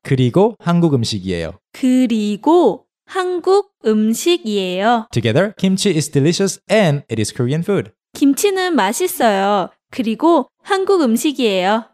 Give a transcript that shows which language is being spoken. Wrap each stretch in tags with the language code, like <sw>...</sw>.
<ko>그리고 한국 음식이에요. 그리고 한국 음식이에요.</ko> <en>Together, 김치 is delicious and it is Korean food.</en> <ko>김치는 맛있어요. 그리고 한국 음식이에요.</ko>